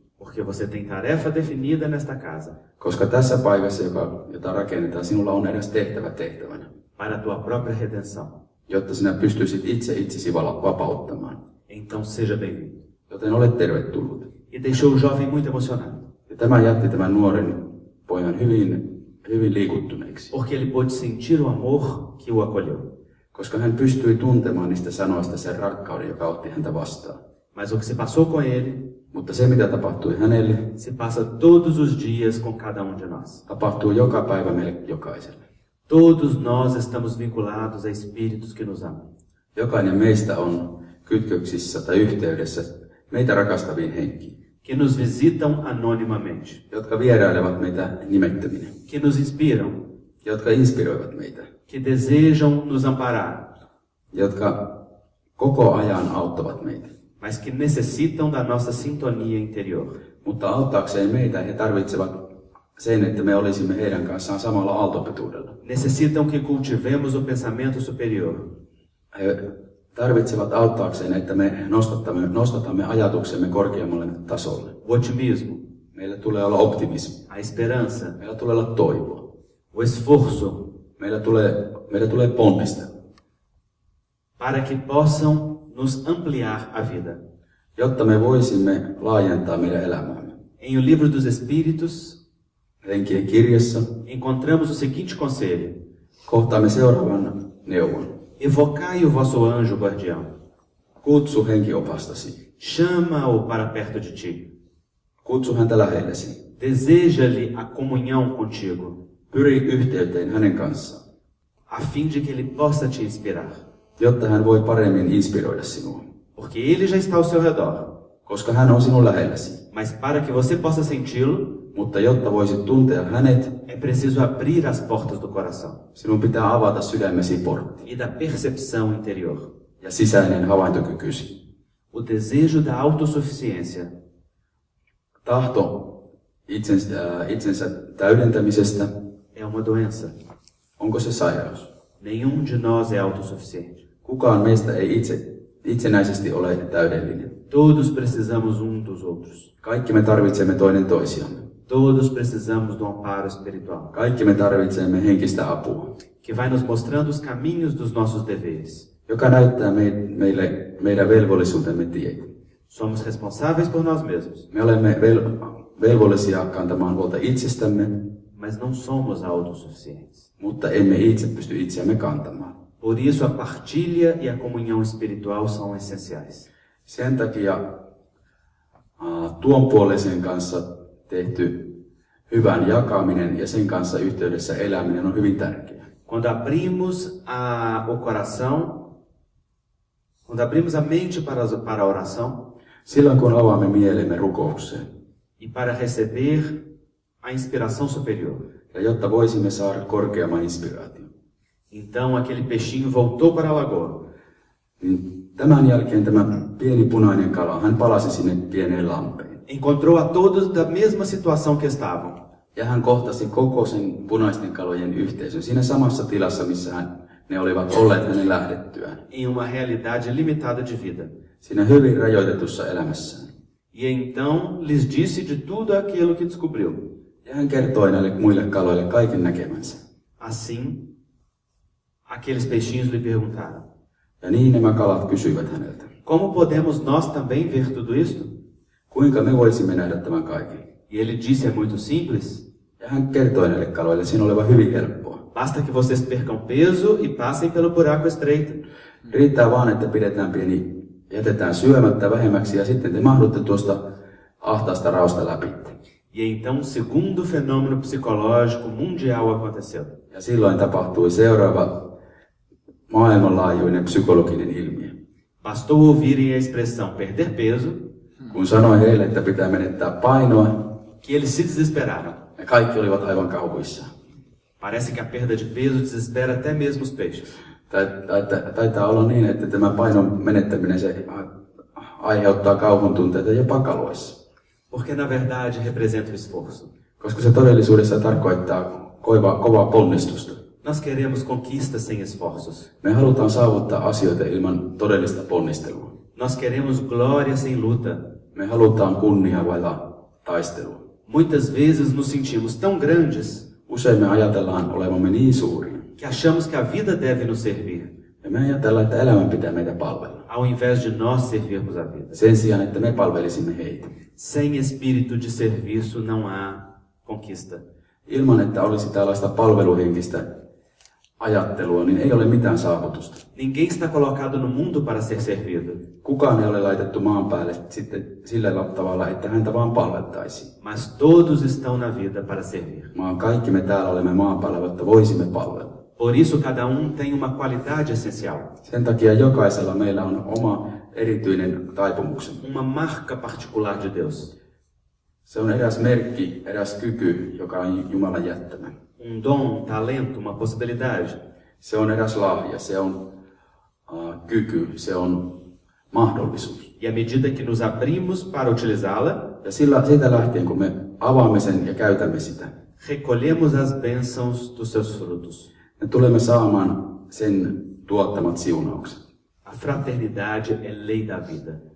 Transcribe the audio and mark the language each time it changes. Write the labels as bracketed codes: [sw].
[pt] Porque você tem tarefa definida nesta casa. [fi] Koska tässä paikassa, jota rakennetaan, sinulla on edes tehtävänä. [pt] Para tua própria redenção. [fi] Jotta sinä pystyisit itse itsesi vapauttamaan. [pt] Então seja bem-vindo. [fi] Joten olet tervetullut. [pt] E deixou o jovem muito emocionado. [fi] Ja tämä jätti tämän nuoren pojan hyvin liikuttuneeksi. [pt] Porque ele pôde sentir o amor que o acolheu. [fi] Koska hän pystyi tuntemaan niistä sanoista sen rakkauden, joka otti häntä vastaan. [pt] Mas o que se passou com ele? [fi] Mutta se, mitä tapahtui hänelle, [pt] se passa todos os dias com cada de nós. [fi] Tapahtuu joka päivä meille jokaiselle. [pt] Todos nós estamos vinculados a espíritos que nos amam. [fi] Jokainen meistä on kytköksissä tai yhteydessä meitä rakastaviin henkiin. [pt] Que nos visitam anonimamente. [fi] Jotka vierailevat meitä nimettöminä. [pt] Que nos inspiram. [fi] Jotka inspiroivat meitä. [pt] Que desejam nos amparar. [fi] Jotka koko ajan auttavat meitä. [pt] Mas que necessitam da nossa sintonia interior. [fi] Mutta auttaakseen meitä he tarvitsevat sen, että me olisimme heidän kanssaan samalla aaltopituudella. [pt] Necessitam que cultivemos o pensamento superior. [fi] He tarvitsevat auttaakseen, että me nostatamme ajatuksemme korkeammalle tasolle. [pt] O otimismo. [fi] Meillä tulee olla optimismo. [pt] A esperança. [fi] Meillä tulee olla toivoa. [pt] O esforço. [fi] Meillä tulee ponnista. [pt] Para que possam nos ampliar a vida. [fi] Jotta me voisimme laajentaa meidän elämäämme. [pt] Em o livro dos espíritos, [fi] Renkien kirjassa, [pt] encontramos o seguinte conselho. [fi] Kohtaamme seuraavan neuvon. [pt] Evocai o vosso anjo guardião. [fi] Kutsu henkiopastasi. [pt] Chama-o para perto de ti. [fi] Kutsu häntä lähellesi. [pt] Deseja-lhe a comunhão contigo. [fi] Pyri yhteyteen hänen kanssaan. [pt] A fim de que ele possa te inspirar. [fi] Jotta hän voi paremmin inspiroida sinua. [pt] Porque ele já está ao seu redor. [fi] Koska hän on sinun lähelläsi. [pt] Mas para que você possa senti-lo, [fi] mutta jotta voisit tuntea hänet, [pt] é preciso abrir as portas do coração. [fi] Sinun pitää avata sydämesi portti. [pt] E da percepção interior. [fi] Ja sisäinen havaintokykysi. [pt] O desejo da autossuficiência. [fi] Tahto itsensä täydentämisestä. [pt] É uma doença. [fi] Onko se sairaus? [pt] Nenhum de nós é autossuficiente. [fi] Kukaan meistä ei itsenäisesti ole täydellinen. [pt] Todos precisamos dos outros. [fi] Kaikki me tarvitsemme toinen toisiamme. [pt] Todos precisamos do amparo espiritual. [fi] Kaikki me tarvitsemme henkistä apua. [pt] Que vai nos mostrando os caminhos dos nossos deveres. [fi] Joka näyttää meidän velvollisuutemme tien. [pt] Somos responsáveis por nós mesmos. [fi] Me olemme velvollisia kantamaan huolta itsestämme. [pt] Mas não somos autossuficientes. [fi] Mutta emme itse pysty itseämme kantamaan. [pt] Por isso a partilha e a comunhão espiritual são essenciais. [fi] Sen takia tuonpuoleisen kanssa tehty hyvän jakaminen ja sen kanssa yhteydessä eläminen on hyvin tärkeää. [pt] Quando abrimos o coração, quando abrimos a mente para a oração, [fi] silloin kun avaamme mielemme rukoukseen. [pt] E para receber a inspiração superior. [fi] Ja jotta voisimme saada korkeamman inspiraation. [pt] Então aquele peixinho voltou para a lagoa. [fi] Tämän jälkeen tämä pieni punainen kala, hän palasi sinne pieneen lampeen. [pt] Encontrou a todos da mesma situação que estavam. [fi] Ja hän kohtasi koko sen punaisten kalojen yhteisön siinä samassa tilassa, missä hän, ne olivat olleet hänen lähdettyään. [pt] Em uma realidade limitada de vida. [fi] Siinä hyvin rajoitetussa elämässä. [pt] E então lhes disse de tudo aquilo que descobriu. [fi] Ja hän kertoi näille muille kaloille kaiken näkemänsä. [pt] Assim, aqueles peixinhos lhe perguntaram. [fi] Ja niin nämä kalat kysyivät häneltä. [pt] Como podemos nós também ver tudo isto? [fi] Kuinka me voisimme nähdä tämän kaiken? [pt] E ele disse, é muito simples. [fi] Ja hän kertoi näille kaloille, siinä olevan hyvin helppoa. [pt] Basta que vocês percam peso e passem pelo buraco estreito. [fi] Riittää vaan, että pidetään pieni, jätetään syömättä vähemmäksi ja sitten te mahdutte tuosta ahtaasta raosta läpi. [pt] E então um segundo fenômeno psicológico mundial aconteceu. [fi] Ja silloin tapahtui seuraava maailmanlaajuinen psykologinen ilmiö. [pt] Bastou ouvirem a expressão perder peso. [fi] Kun sanoi heille, että pitää menettää painoa. [pt] Que eles se desesperaram. [fi] Ja kaikki olivat aivan kauhuissa. [pt] Parece que a perda de peso desespera até mesmo os peixes. [fi] Taitaa olla niin, että tämä painon menettäminen se aiheuttaa kauhun tunteita jopa kaloissa. [pt] Porque na verdade representa o esforço. [fi] Koska se todellisuudessa tarkoittaa kovaa ponnistusta. [pt] Nós queremos conquistas sem esforços. [fi] Me halutaan saavuttaa asioita ilman todellista ponnistelua. [pt] Nós queremos glória sem luta. [fi] Me halutaan kunnia vailla taistelua. [pt] Muitas vezes nos sentimos tão grandes. [fi] Usein me ajatellaan olevamme niin suuria. [pt] Que achamos que a vida deve nos servir. [fi] Ja me ajatellaan, että elämän pitää meitä palvella. [pt] Ao invés de nós servirmos a vida. [fi] Sen sijaan, että me palvelisimme heitä. [pt] Sem espírito de serviço não há conquista. [fi] Ilman, että olisi tällaista palveluhenkistä ajattelua, niin ei ole mitään saavutusta. [pt] Ninguém está colocado no mundo para ser servido. [fi] Kukaan ei ole laitettu maan päälle sitten sillä tavalla, että häntä vaan palvettaisiin. [pt] Mas todos estão na vida para servir. [fi] Vaan kaikki me täällä olemme maan päällä, jotta voisimme palvella. [pt] Por isso cada tem uma qualidade essencial. [fi] Sen takia jokaisella meillä on oma erityinen taipumuksen. [pt] Uma marca particular de Deus. [fi] Se on eräs merkki, eräs kyky, joka on Jumalan jättämä. [pt] Um dom, um talento, uma possibilidade. [fi] Se on eräs lahja, se on kyky, se on mahdollisuus. [pt] E à medida que nos abrimos para utilizá-la, [fi] ja siitä lähtien, kun me avaamme sen ja käytämme sitä, [pt] recolhemos as bênçãos dos seus frutos. [fi] Me tulemme saamaan sen tuottamat siunaukset. [pt] A fraternidade é lei da vida.